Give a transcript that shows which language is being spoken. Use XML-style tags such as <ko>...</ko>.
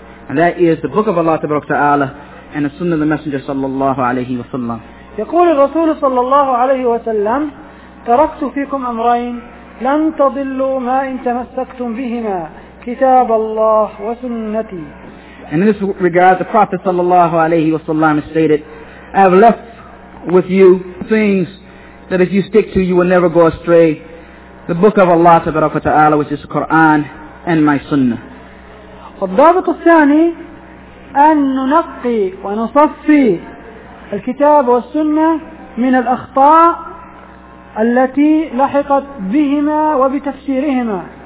<en>And that is the book of Allah Ta'ala and the sunnah of the Messenger sallallahu alayhi wa sallam.</en> <ar>يقول الرسول صلى الله عليه وسلم تركت فيكم أمرين لن تضلوا ما إن تمسكتم بهما كتاب الله وسنتي.</ar> <en>And in this regard, the Prophet</en> <ar>صلى الله عليه وسلم</ar> <en>stated, I have left with you things that if you stick to, you will never go astray. The book of Allah</en> <ar>تبارك وتعالى,</ar> <en>which is the Quran, and my sunnah.</en> <ar>والضابط الثاني أن ننقي ونصفي الكتاب والسنة من الأخطاء التي لحقت بهما وبتفسيرهما.</ar>